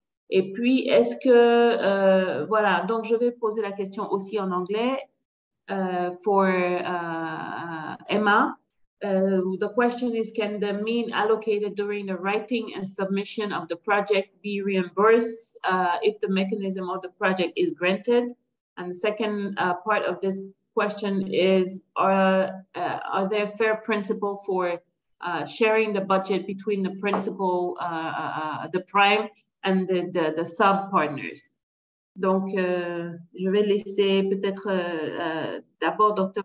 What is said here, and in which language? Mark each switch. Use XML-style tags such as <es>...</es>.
<fr>Et puis, est-ce que... voilà, donc je vais poser la question aussi en anglais pour Emma.</fr> <en>The question is, can the mean allocated during the writing and submission of the project be reimbursed if the mechanism of the project is granted? And the second part of this question is, are there fair principles for sharing the budget between the principal, the prime, and the sub partners?</en> <fr>Donc, je vais laisser peut-être d'abord Dr.</fr>